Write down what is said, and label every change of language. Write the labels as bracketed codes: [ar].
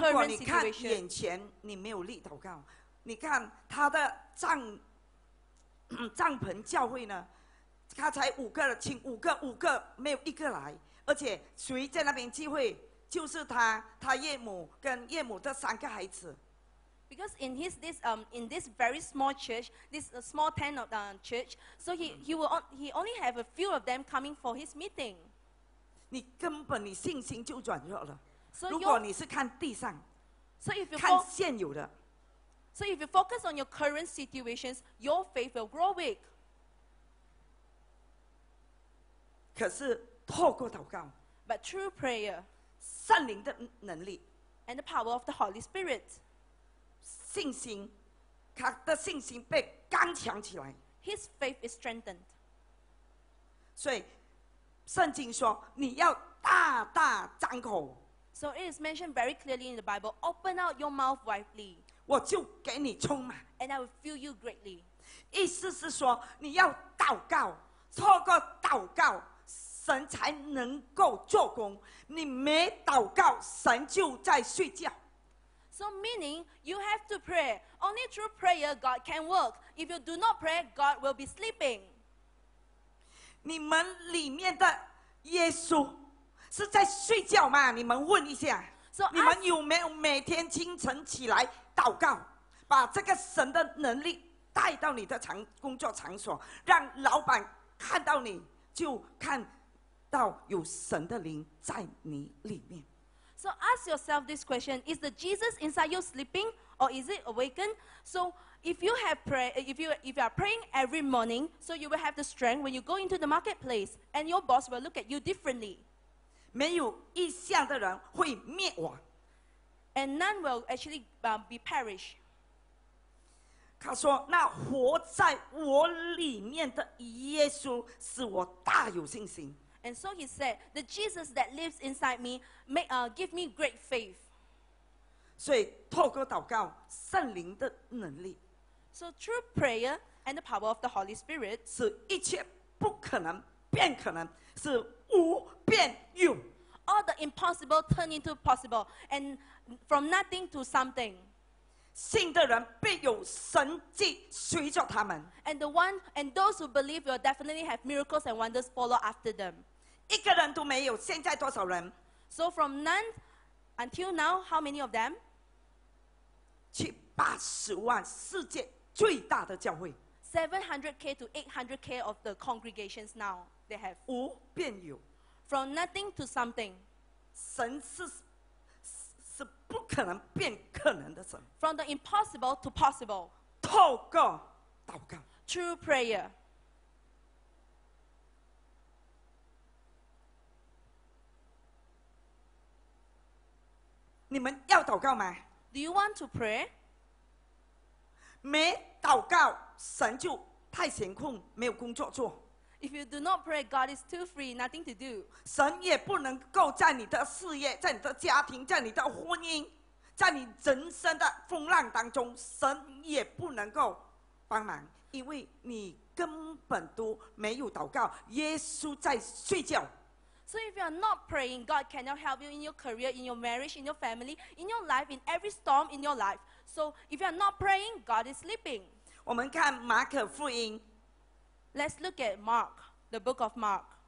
[zh] 如果你看眼前，你没有立祷告。你看他的帐篷教会呢，他才五个人，请五个没有一个来，而且谁在那边聚会？就是他，他岳母跟岳母的三个孩子。 [en] Because in this very small church, this small tent of church, so he only have a few of them coming for his meeting. [zh] 你根本你信心就软弱了。 So、如果你是看地上， [en] so、if you [zh] 看现有的。 [en] So if you focus on your current situations, your faith will grow weak. [zh] 可是透过祷告。 [en] But through prayer. [zh] 圣灵的能力 [en] and the power of the Holy Spirit, [zh] 信心，他的信心被刚强起来。 [en] His faith is strengthened. [zh] 所以，圣经说你要大大张口。 [en] So it is mentioned very clearly in the Bible. Open out your mouth widely. [zh] 我就给你充满。 [en] And I will fill you greatly. [zh] 意思是说你要祷告，透过祷告。神才能够做工，你没祷告，神就在睡觉。 [en] So meaning you have to pray. Only through prayer God can work. If you do not pray, God will be sleeping. [zh] 你们里面的耶稣是在睡觉吗？你们问一下。 [en] So [zh] 你们有没有每天清晨起来祷告，把这个神的能力带到你的工作场所，让老板看到你就看。到有神的灵在你里面。 [en] So ask yourself this question: Is the Jesus inside you sleeping, or is it awakened? So if you have pray, if you are praying every morning, so you will have the strength when you go into the marketplace, and your boss will look at you differently. [zh] 没有意向的人会灭亡。 [en] And none will actually be perish. [zh] 他说：“那活在我里面的耶稣使我大有信心。” [en] And so he said, "The Jesus that lives inside me give me great faith." [zh] 所以透过祷告，圣灵的能力。 [en] So through prayer and the power of the Holy Spirit, [zh] 使一切不可能变可能，使无变有。 [en] All the impossible turn into possible, and from nothing to something. [zh] 信的人必有神迹随着他们。 [en] And those who believe will definitely have miracles and wonders follow after them. [zh] 一个人都没有，现在多少人？ [en] So from then until now, how many of them? [zh] 780万，世界最大的教会。 [en] 700K to 800K of the congregations now they have. [zh] 无变有。 [en] From nothing to something. [zh] 神是不可能变可能的神。 [en] From the impossible to possible. [zh] 透过祷告。 [en] True prayer. [zh] 你们要祷告吗？ [en] Do you want to pray? [zh] 没祷告，神就太闲空，没有工作做。 [en] If you do not pray, God is too free, nothing to do. [zh] 神也不能够在你的事业，在你的家庭，在你的婚姻，在你人生的风浪当中，神也不能够帮忙，因为你根本都没有祷告，耶稣在睡觉。 [en] So if you are not praying, God cannot help you in your career, in your marriage, in your family, in your life, in every storm in your life. So if you are not praying, God is sleeping. [zh] 我们看马可福音。 [en] Let's look at Mark, the book of Mark.